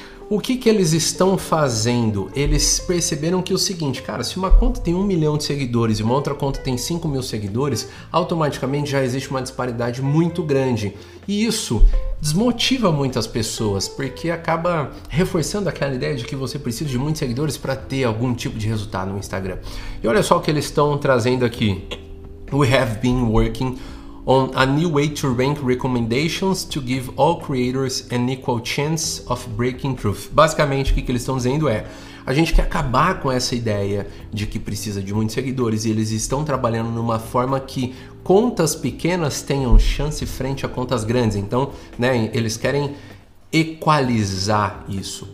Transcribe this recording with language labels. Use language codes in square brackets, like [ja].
[pt] O que que eles estão fazendo? Eles perceberam que é o seguinte, cara, se uma conta tem 1 milhão de seguidores e uma outra conta tem 5 mil seguidores, automaticamente já existe uma disparidade muito grande. E isso desmotiva muitas pessoas, porque acaba reforçando aquela ideia de que você precisa de muitos seguidores para ter algum tipo de resultado no Instagram. E olha só o que eles estão trazendo aqui. [en] We have been working on a new way to rank recommendations to give all creators an equal chance of breaking through. [pt] Basicamente, o que eles estão dizendo é: a gente quer acabar com essa ideia de que precisa de muitos seguidores, e eles estão trabalhando numa forma que contas pequenas tenham chance frente a contas grandes. Então, né, eles querem equalizar isso.